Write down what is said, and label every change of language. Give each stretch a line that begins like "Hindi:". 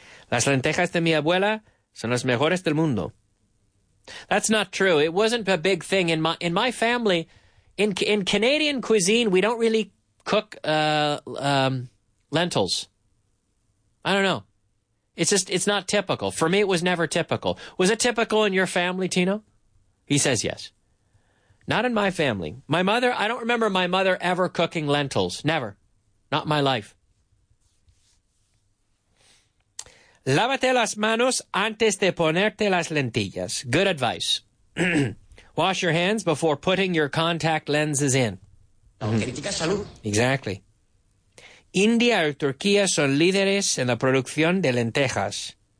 Spanish: Las lentejas de mi abuela son las mejores del mundo.
English: That's not true. It wasn't a big thing in my family. In Canadian cuisine, we don't really cook lentils. I don't know. It's not typical. For me, it was never typical. Was it typical in your family, Tino? He says yes. Not in my family. My mother, I don't remember my mother ever cooking lentils. Never. Not in my life.
Spanish: Lávate las manos antes de ponerte las lentillas.
English: Good advice. Wash your hands before putting your contact lenses in.
Spanish: Criticas salud.
English: Exactly.
Spanish: India y Turquía son líderes en la producción de lentejas.